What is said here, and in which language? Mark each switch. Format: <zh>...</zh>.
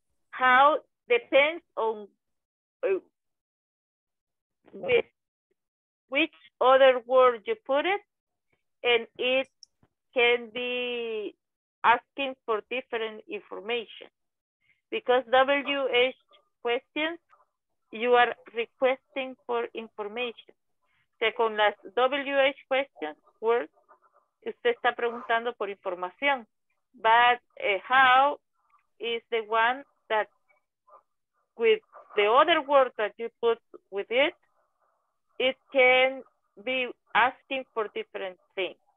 <en>How depends on which other word you put it, and it can be asking for different information. Because WH questions, you are requesting for information.</en> <es>O sea, con las WH questions, words, usted está preguntando por información.</es> <en>But how is the one that with the other word that you put with it, it can be asking for different things.</en>